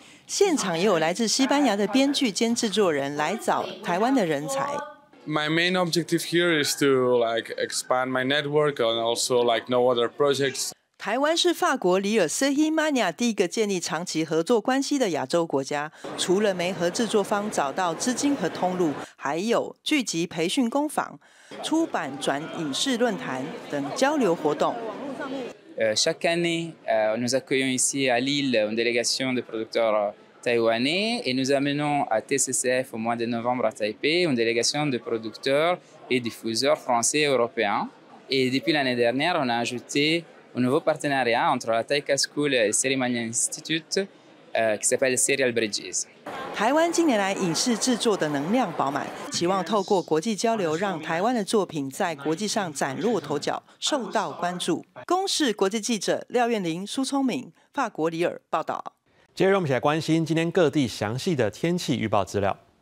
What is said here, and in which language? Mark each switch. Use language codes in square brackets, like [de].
[zh] 现场也有来自西班牙的编剧兼制作人来找台湾的人才。 [en] My main objective here is to like expand my network and also like know other projects. [zh] 台湾是法国里尔 Cinemania 第一个建立长期合作关系的亚洲国家，除了媒合制作方找到资金和通路，还有聚集培训工坊、出版转影视论坛等交流活动。 [fr] Chaque année, nous accueillons ici à Lille une délégation de producteurs taïwanais et nous amenons à TCCF au mois de novembre à Taipei une délégation de producteurs et diffuseurs français et européens. Et depuis l'année dernière, on a ajouté un nouveau partenariat entre la Taika School et Cinemania Institute qui s'appelle Serial Bridges。 [zh] 台湾近年来影视制作的能量饱满，期望透过国际交流让台湾的作品在国际上崭露头角，受到关注。公视国际记者廖苑玲、苏聪明，法国里尔报道。接着我们一起来关心今天各地详细的天气预报资料。